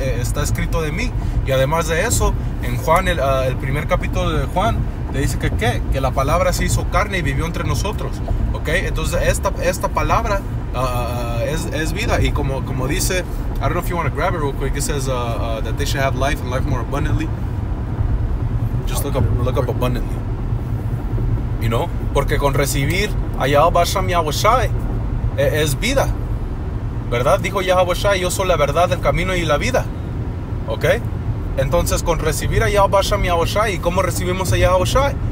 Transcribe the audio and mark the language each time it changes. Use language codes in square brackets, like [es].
[es] Está escrito de mí. Y además de eso, en Juan, el primer capítulo de Juan, te dice que la palabra se hizo carne y vivió entre nosotros, ¿ok? Entonces, esta palabra es vida. Y como dice, [en] I don't know if you want to grab it real quick, it says that they should have life and life more abundantly. Just look up abundantly. You know? [es] Porque con recibir a Yahweh Bahashem Yahweh Shai, es vida, ¿verdad? Dijo Yahweh Shai, yo soy la verdad, el camino y la vida, ¿ok? Entonces, con recibir a Yahweh Bahashem Yahweh Shai, ¿y cómo recibimos a Yahweh Shai?